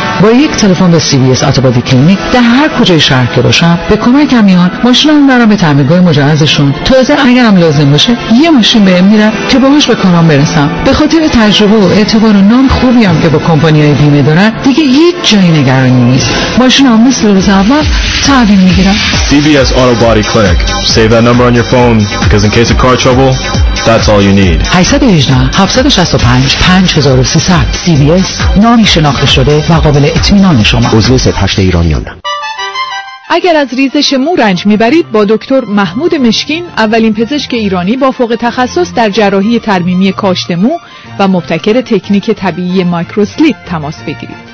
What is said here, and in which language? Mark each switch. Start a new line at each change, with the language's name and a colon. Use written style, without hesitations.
Persian: با یک تلفن به CVS اتوبادی کلینیک در هر کجای شهر که باشم به کمک میان، ماشینم دارم به تعمیرگاه مجهزشون، تازه اگرم لازم باشه یه ماشین بهم میرن که باهاش به کارم برسم. به خاطر تجربه و اعتبار و نام خوبی هم که با کمپانیای بیمه دارن دیگه هیچ جای نگرانی نیست، ماشینم مثل روز اول تعمیر میگیرن. CVS اتوبادی کلینیک.
English: Save that number on your phone because in case of car trouble, that's all you need. 818-765-5300 CVS.
Persian: نامی شناخته شده و قابل اطمینان شما. عضو 38 ایرانیان. اگر از ریزش مو رنج میبرید، با دکتر محمود مشکین، اولین پزشک ایرانی با فوق تخصص در جراحی ترمیمی کاشت مو و مبتکر تکنیک طبیعی مایکروسلیپ تماس بگیرید.